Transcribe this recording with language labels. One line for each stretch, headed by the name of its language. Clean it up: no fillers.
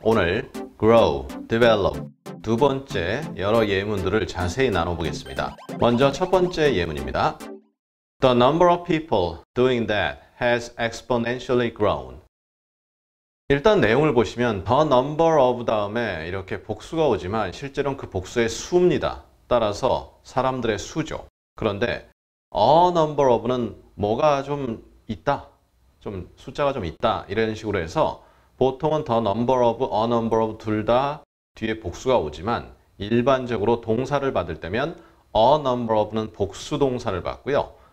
Korean: 오늘 grow, develop 두 번째 여러 예문들을 자세히 나눠보겠습니다. 먼저 첫 번째 예문입니다.
English: The number of people doing that has exponentially grown.
Korean: 일단 내용을 보시면 the number of 다음에 이렇게 복수가 오지만 실제로는 그 복수의 수입니다. 따라서 사람들의 수죠. 그런데 a number of는 뭐가 좀 있다. 좀 숫자가 좀 있다. 이런 식으로 해서 보통은 the number of, a number of 둘 다 뒤에 복수가 오지만 일반적으로 동사를 받을 때면 a number of는 복수 동사를 받고요.